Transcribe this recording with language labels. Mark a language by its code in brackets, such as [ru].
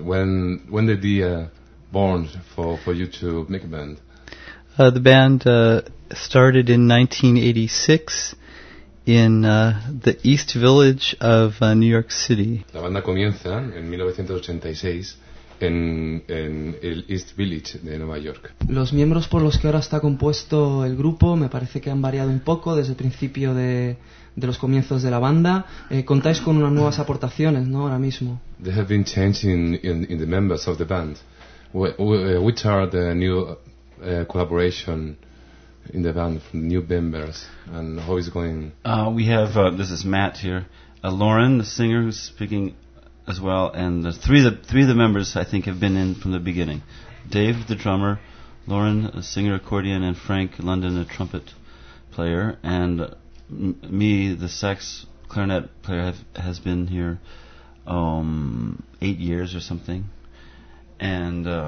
[en] When the idea born for you to make a band? The band started in 1986 in the East Village of New York City. [es] La banda comienza en 1986 en el East Village de Nueva York. Los miembros por los que ahora está compuesto el grupo me parece que han variado un poco desde el principio de los comienzos de la banda. Contáis con unas nuevas aportaciones, ¿no? Ahora mismo. [en] There have been changes in the members of the band. Which are the new collaboration in the band from new members, and how is it going? We have this is Matt here, Lauren, the singer, who's speaking as well, and the three of the members I think have been in from the beginning: Dave, the drummer; Lauren, a singer, accordion; and Frank London, a trumpet player; and me, the sax clarinet player, has been here 8 years or something, and